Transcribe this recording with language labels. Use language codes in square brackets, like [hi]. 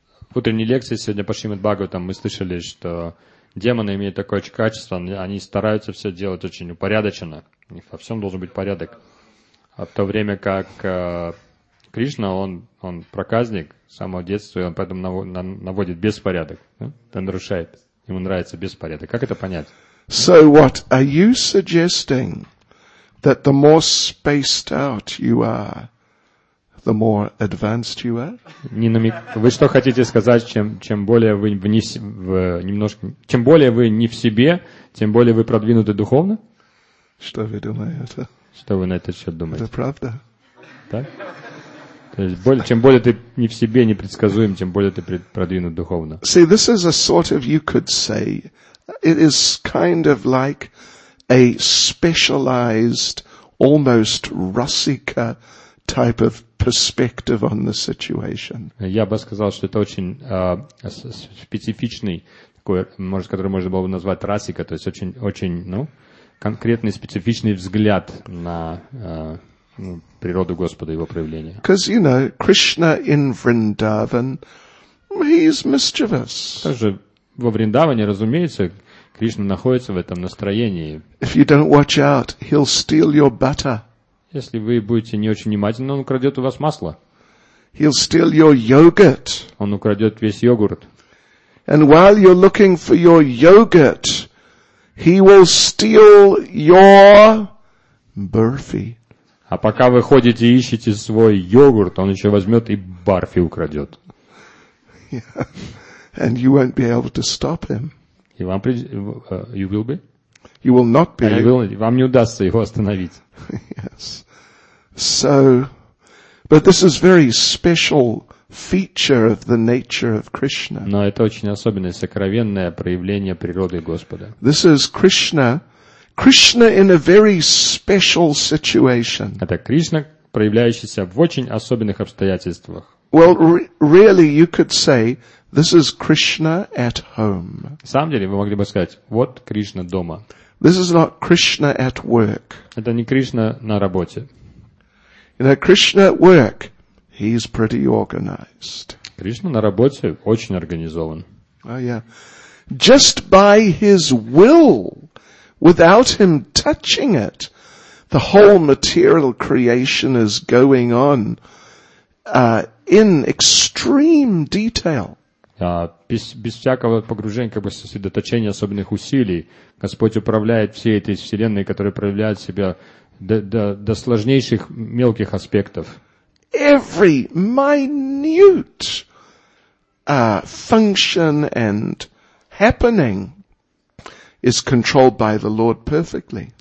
[ru] В утренней лекции сегодня по Шримад Бхагаватам мы слышали, что демоны имеют такое качество, они стараются все делать очень упорядоченно, и во всем должен быть порядок. А в то время как Кришна, он проказник с самого детства, и он поэтому наводит беспорядок, да? Нарушает. Ему нравится беспорядок. Как это понять? [en] So what, are you suggesting that the more spaced out you are, the more advanced you are? [ru] Вы что хотите сказать, чем более вы немножко, чем более вы не в себе, тем более вы продвинуты духовно? Что вы думаете? Что вы на этот счет думаете? Это правда? Да? То есть чем более ты не в себе, непредсказуем, тем более ты продвинут духовно. [en] See, this is a sort of, you could say, it is kind of like a specialized, almost russica type of perspective on the situation. [ru] Я бы сказал, что это очень специфичный такой, можно было бы назвать расика, то есть очень, ну, конкретный специфичный взгляд на природу Господа и его проявления. [en] Because you know, Krishna in Vrindavan, he's mischievous. [ru] Также во Вриндаване, разумеется, Кришна находится в этом настроении. [en] If you don't watch out, he'll steal your butter. [ru] Если вы будете не очень внимательны, он украдет у вас масло. [en] He'll steal your yogurt. [ru] Он украдет весь йогурт. [en] And while you're looking for your yogurt, he will steal your barfi. [ru] А пока вы ходите и ищете свой йогурт, он еще возьмет и барфи украдет. [en] Yeah. And you won't be able to stop him. [ru] И вам [en] you will be? You will not be. [ru] Вам не удастся его остановить. [en] Yes. So, but this is very special feature of the nature of Krishna. [ru] Но это очень особенное, сокровенное проявление природы Господа. [en] This is Krishna. Krishna in a very special situation. [ru] Это Кришна, проявляющийся в очень особенных обстоятельствах. [en] Well, really, you could say this is Krishna at home. [ru] На самом деле, вы могли бы сказать, вот Кришна дома. [en] This is not Krishna at work. [ru] Это не Кришна на работе. [en] You know, Krishna at work, he's pretty organized. [ru] Кришна на работе очень организован. [en] Oh yeah. Just by his will, without him touching it, the whole material creation is going on in extreme detail. [ru] Без всякого погружения, как бы сосредоточения особенных усилий, Господь управляет всей этой вселенной, которая проявляет себя до сложнейших мелких аспектов. [en] Every minute function and happening is controlled by the Lord perfectly.